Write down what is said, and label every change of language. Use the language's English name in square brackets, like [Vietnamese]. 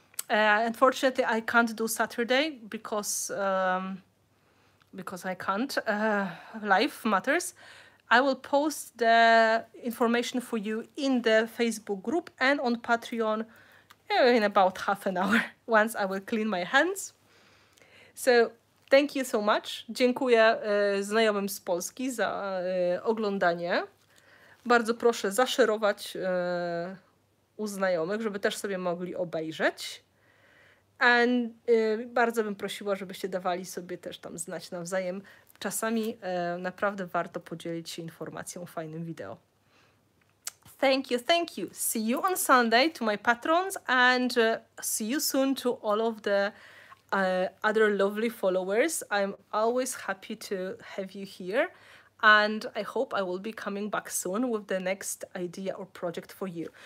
[English] Unfortunately, I can't do Saturday because I can't. Life matters. I will post the information for you in the Facebook group and on Patreon in about half an hour, once I will clean my hands. So thank you so much. [Polish] Dziękuję znajomym z Polski za oglądanie. Bardzo proszę zaszerować u znajomych, żeby też sobie mogli obejrzeć. [English] And [Polish] bardzo bym prosiła, żebyście dawali sobie też tam znać nawzajem. Czasami naprawdę warto podzielić się informacją, fajnym wideo. [English] Thank you, thank you. See you on Sunday to my patrons, and see you soon to all of the other lovely followers. I'm always happy to have you here, and I hope I will be coming back soon with the next idea or project for you.